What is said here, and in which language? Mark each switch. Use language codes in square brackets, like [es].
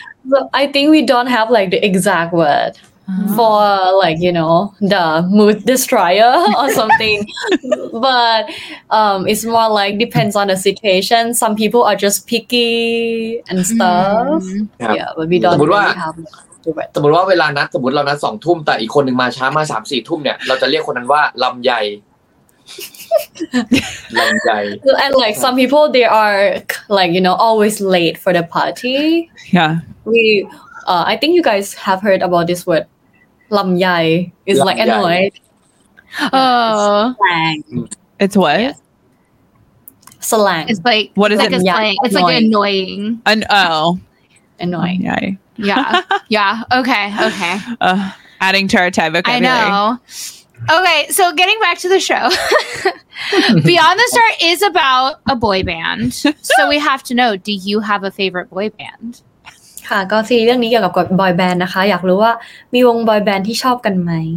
[en] So I think we don't have like the exact word for like you know the mood destroyer or something but it's more like depends on the situation some people are just picky and stuff yeah but we don't really have [th] สมมติว่าเวลานัดสมมติเรานัด2ทุ่มแต่อีกคนหนึ่งมาช้ามา 3-4 ทุ่มเนี่ยเราจะเรียกคนนั้นว่าลำไย [en] And like some people, they are like you know always late for the party. Yeah, we. I think you guys have heard about this word, "lam yai." It's like annoyed. Slang. It's what? Yeah. Slang. It's like what is like it? A slang. It's like annoying. Annoying. Yai. Yeah. Yeah. Okay. Okay. Adding to our Thai vocabulary. I know. Okay, so getting back to the show. Beyond the Star is about a boy band. So we have to know, do you have a favorite boy band? [th] ค่ะก็ซีเรื่องนี้เกี่ยวกับบอยแบนด์นะคะอยากรู้ว่ามีวงบอยแบนด์ที่ชอบกันไหม